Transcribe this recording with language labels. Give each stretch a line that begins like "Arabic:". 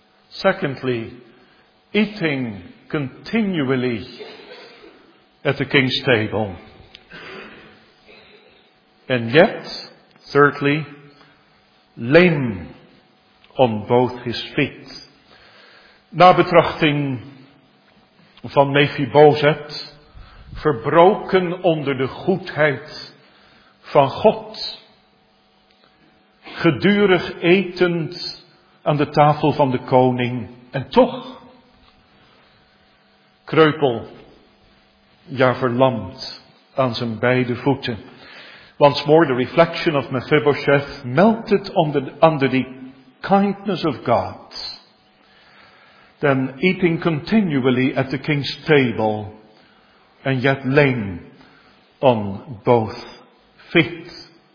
English: Secondly, eating continually at the king's table. And yet, thirdly, lame on both his feet.
Dutch: Na betrachting van Mephibozet, verbroken onder de goedheid van God, gedurig etend aan de tafel van de koning, en toch kreupel, ja verlamd aan zijn beide voeten.
English: Once more the reflection of Mephibosheth melted under the kindness of God. Then eating continually at the king's table and yet lame on both feet.